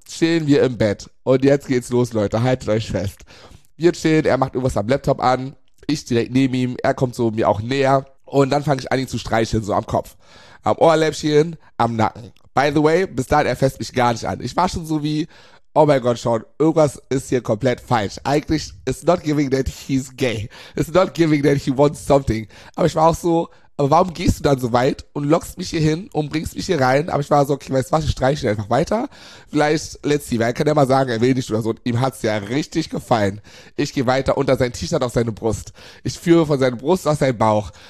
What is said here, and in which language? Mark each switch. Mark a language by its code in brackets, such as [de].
[de] Chillen wir im Bett. Und jetzt geht's los, Leute. Haltet euch fest. Wir chillen, er macht irgendwas am Laptop an. Ich direkt neben ihm. Er kommt so mir auch näher. Und dann fange ich an, ihn zu streicheln, so am Kopf. Am Ohrläppchen, am Nacken. [en] By the way, [de] bis dahin, er fasst mich gar nicht an. Ich war schon so wie, oh mein Gott, Sean, irgendwas ist hier komplett falsch. Eigentlich, [en] it's not giving that he's gay. It's not giving that he wants something. [de] Aber ich war auch so, aber warum gehst du dann so weit und lockst mich hier hin und bringst mich hier rein? Aber ich war so, okay, weißt du was, ich streiche ihn einfach weiter. Vielleicht, [en] let's see, [de] weil er kann ja mal sagen, er will nicht oder so. Und ihm hat's ja richtig gefallen. Ich gehe weiter unter sein T-Shirt auf seine Brust. Ich führe von seiner Brust auf seinen Bauch.